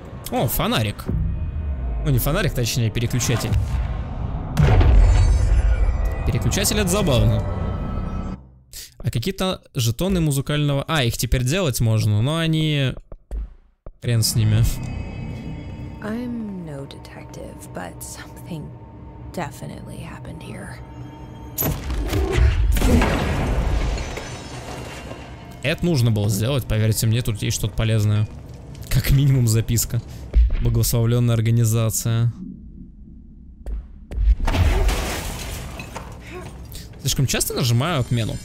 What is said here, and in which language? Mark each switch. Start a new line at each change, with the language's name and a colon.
Russian: О, фонарик. Ну, не фонарик, точнее, переключатель. Переключатель — это забавно. А какие-то жетоны музыкального... А, их теперь делать можно, но они... Хрен с ними.
English: I'm no detective, but something definitely happened here.
Russian: Это нужно было сделать, поверьте мне, тут есть что-то полезное. Как минимум записка. Благословленная организация. Слишком часто нажимаю отмену.